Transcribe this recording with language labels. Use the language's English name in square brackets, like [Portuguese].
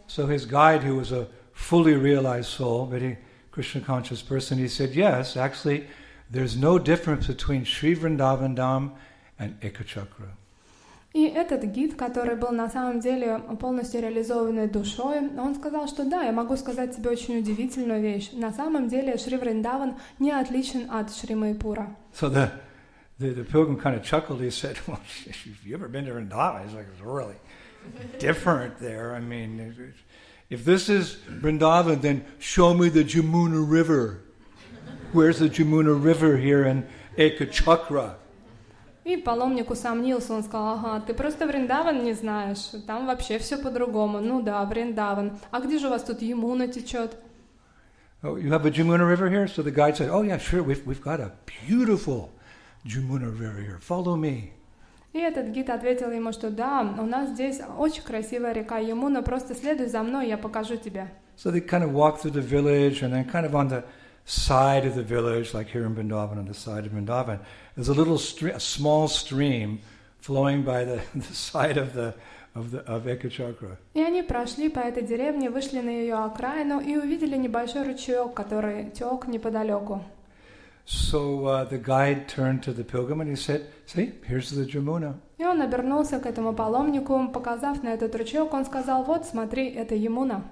[English] So his guide, who was a fully realized soul, very Krishna conscious person, he said, yes, actually, there's no difference between Sri Vrindavan Dham and Ekachakra. [Russian] И этот гид, который был на самом деле полностью реализованной душой, он сказал, что да, я могу сказать тебе очень удивительную вещь. На самом деле Шри Вриндаван не отличен от Шри Майпура. [English] So the The pilgrim kind of chuckled. He said, "Well, have you ever been to Vrindavan?" He's like, "It's really different there. I mean, if this is Vrindavan, then show me the Jamuna River. Where's the Jamuna River here in Ekachakra?" [Russian] И паломник усомнился, он сказал, ага, ты просто Вриндаван не знаешь, там вообще все по-другому. Ну да, Вриндаван. А где же у вас тут Ямуна течет? [English] Oh, you have a Jamuna River here? So the guide said, oh yeah, sure, we've got a beautiful Jamuna River here, follow me. [Russian] И этот гид ответил ему, что да, у нас здесь очень красивая река Ямуна, просто следуй за мной, я покажу тебе. [English] So they kind of walked through the village and then kind of on the side of the village, like here in Vrindavan, on the side of Vrindavan, there's a little a small stream flowing by the side of the Ekachakra. [Russian] И они прошли по этой деревне, вышли на ее окраину и увидели небольшой ручеек, который тек неподалеку. [English] So the guide turned to the pilgrim and he said, "See, here's the Jamuna." [Russian] И он обернулся к этому паломнику, показав на этот ручеек, он сказал, "Вот, смотри, это Ямуна."